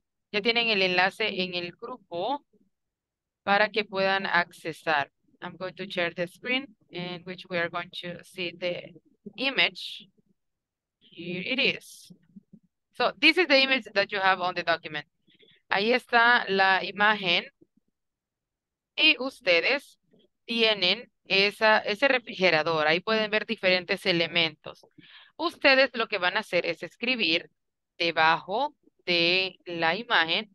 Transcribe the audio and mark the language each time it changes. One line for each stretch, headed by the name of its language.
Spanish: Ya tienen el enlace en el grupo para que puedan accesar.
English: I'm going to share the screen in which we are going to see the image. Here it is. So this is the image that you have on the document.
Spanish: Ahí está la imagen y ustedes tienen ese refrigerador. Ahí pueden ver diferentes elementos. Ustedes lo que van a hacer es escribir debajo de la imagen.